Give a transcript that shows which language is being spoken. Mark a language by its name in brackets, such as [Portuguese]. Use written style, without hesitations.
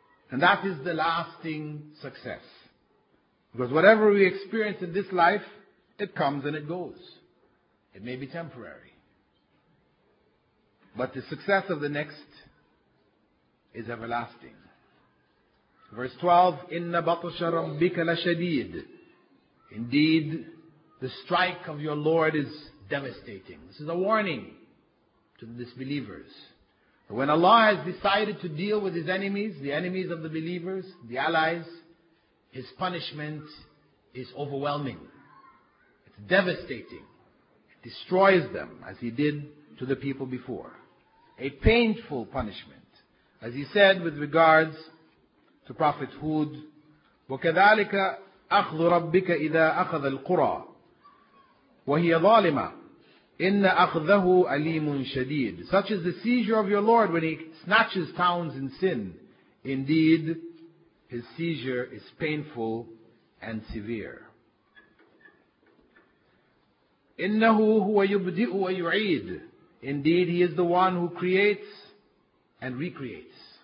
[English] And that is the lasting success. Because whatever we experience in this life, it comes and it goes. It may be temporary. But the success of the next is everlasting. Verse 12, [Arabic] إِنَّ بَطْشَ رَبِّكَ لَشَدِيدٌ. [English] Indeed, the strike of your Lord is devastating. This is a warning to the disbelievers. When Allah has decided to deal with His enemies, the enemies of the believers, the allies, His punishment is overwhelming. It's devastating. It destroys them, as He did to the people before. A painful punishment. As He said with regards to Prophet Hud, [Arabic] وَكَذَلِكَ أَخْذُ رَبِّكَ إِذَا أَخَذَ الْقُرَىٰ وَهِيَ ظَالِمَةٌ إِنَّ أَخْذَهُ أَلِيمٌ شَدِيدٌ. [English] Such is the seizure of your Lord when He snatches towns in sin. Indeed, His seizure is painful and severe. [Arabic] إِنَّهُ هُوَ يُبْدِئُ وَيُعِيدُ. [English] Indeed, He is the one who creates and recreates.